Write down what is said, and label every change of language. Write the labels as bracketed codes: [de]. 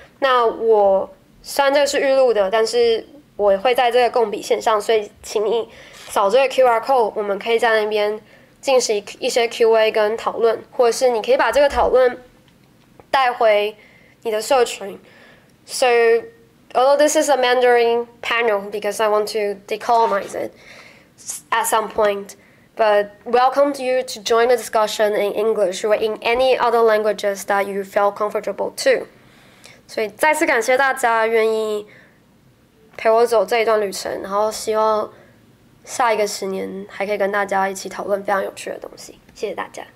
[zh] 那我虽然这个是预录的，但是我会在这个共笔线上，所以请你扫这个 QR code，我们可以在那边进行一些 QA 跟讨论，或者是你可以把这个讨论带回你的社群。 [en] So although this is a Mandarin panel because I want to decolonize it at some point, but welcome you to join the discussion in English or in any other languages that you feel comfortable to。 [zh] 所以再次感谢大家愿意陪我走这一段旅程，然后希望下一个10年还可以跟大家一起讨论非常有趣的东西，谢谢大家。